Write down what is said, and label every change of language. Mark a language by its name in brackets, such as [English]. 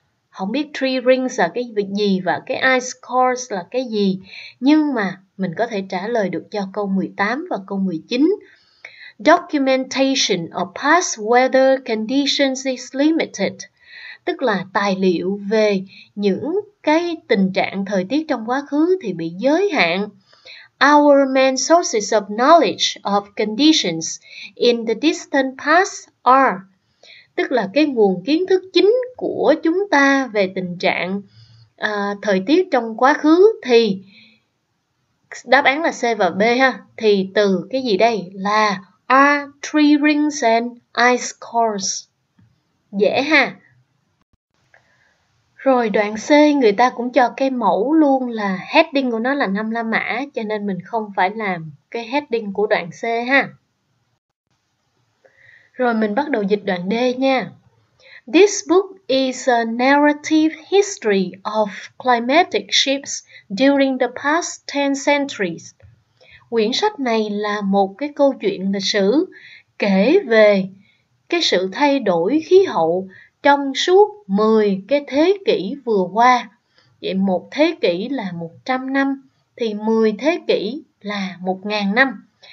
[Vietnamese] Không biết tree rings là cái việc gì và cái ice cores là cái gì, nhưng mà mình có thể trả lời được cho câu 18 và câu 19. [English] Documentation of past weather conditions is limited. [Vietnamese] Tức là tài liệu về những cái tình trạng thời tiết trong quá khứ thì bị giới hạn. [English] Our main sources of knowledge of conditions in the distant past are. [Vietnamese] Tức là cái nguồn kiến thức chính của chúng ta về tình trạng thời tiết trong quá khứ thì đáp án là C và B ha. Thì từ cái gì đây? Là [English] are tree rings and ice cores. [Vietnamese] Dễ ha. Rồi đoạn C người ta cũng cho cái mẫu luôn là heading của nó là 5 la mã, cho nên mình không phải làm cái heading của đoạn C ha. Rồi mình bắt đầu dịch đoạn D nha. [English] This book is a narrative history of climatic shifts during the past 10 centuries. [Vietnamese] Quyển sách này là một cái câu chuyện lịch sử kể về cái sự thay đổi khí hậu trong suốt 10 cái thế kỷ vừa qua. Vậy một thế kỷ là 100 năm, thì 10 thế kỷ là 1.000 năm.